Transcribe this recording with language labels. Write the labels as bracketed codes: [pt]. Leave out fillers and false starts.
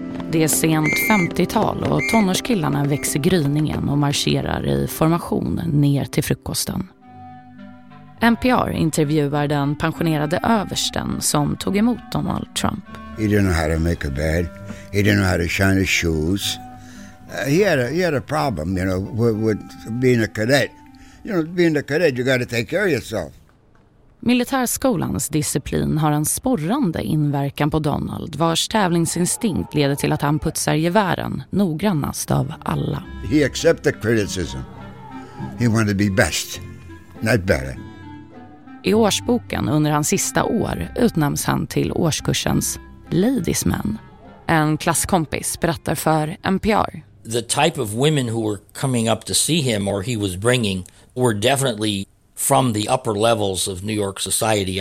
[sv] Det är sent 50-tal och tonårskillarna växer gryningen och marscherar i formation ner till frukosten. NPR intervjuar den pensionerade översten som tog emot Donald Trump. [en] He didn't know how to make a bed. He didn't know how to shine his shoes. He had a problem, you know, with being a cadet. You know, being a cadet, you got to take care of yourself. [sv] Militärskolans disciplin har en sporrande inverkan på Donald, vars tävlingsinstinkt leder till att han putsar gevären noggrannast av alla. [en] He accepted criticism. He wanted to be best, not better. [sv] I årsboken under hans sista år utnämns han till årskursens ladies man. En klasskompis berättar för NPR. [en] The type of women who were coming up to see him or he was bringing were definitely from the upper levels of New York society.